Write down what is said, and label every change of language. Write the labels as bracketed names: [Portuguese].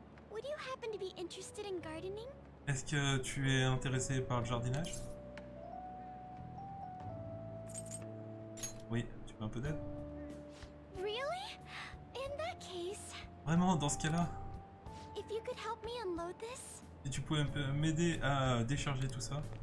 [English] Would you happen to be interested in gardening? [French] Est-ce que tu es intéressé par le jardinage? Oui, tu veux un peu d'aide? [English] Really? In that case... [French] Vraiment, dans ce cas-là? [English] If you could help me unload this? [French] Si tu pouvais m'aider à décharger tout ça?